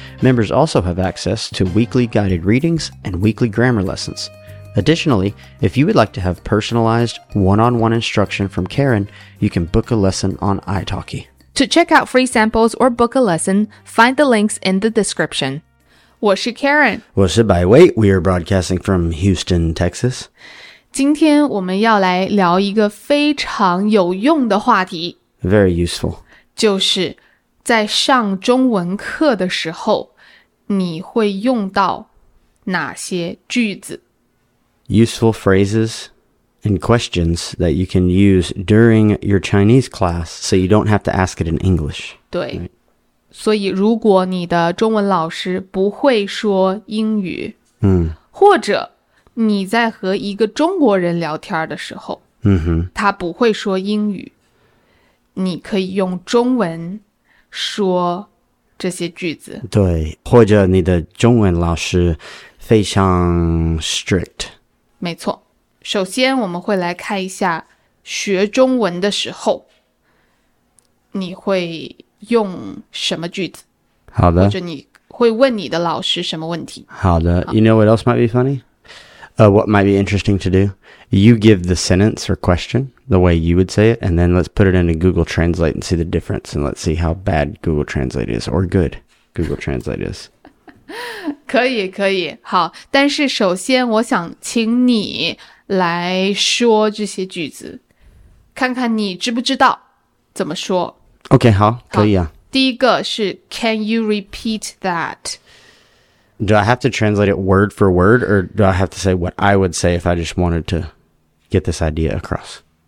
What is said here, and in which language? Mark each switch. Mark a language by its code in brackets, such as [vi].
[en] Members also have access to weekly guided readings and weekly grammar lessons. Additionally, if you would like to have personalized one-on-one instruction from Karen, you can book a lesson on iTalki. To check out free samples or book a lesson, find the links in the description. [zh] 我是 Karen. 我是 [en] By Wei. We are broadcasting from Houston, Texas. [zh] 今天我们要来聊一个非常有用的话题。 [en] Very useful. [zh] 就是在上中文课的时候，你会用到哪些句子？ [en] Useful phrases and questions that you can use during your Chinese class so you don't have to ask it in English. [zh] 对、 [en] right? [zh] 所以如果你的中文老师不会说英语、 mm. 或者你在和一个中国人聊天的时候、 mm-hmm. 他不会说英语你可以用中文说这些句子。对或者你的中文老师非常 strict。没错，首先我们会来看一下学中文的时候你会用什么句子。好的。或者你会问你的老师什么问题。好的。 [en] You know what else might be funny? What might be interesting to do? You give the sentence or question the way you would say it, and then let's put it into Google Translate and see the difference, and let's see how bad Google Translate is, or good Google Translate is. [zh] 可以可以好但是首先我想请你来说这些句子看看你知不知道怎么说 OK 好, 好可以啊第一个是 [en] Can you repeat that? Do I have to translate it word for word or do I have to say what I would say if I just wanted to get this idea across?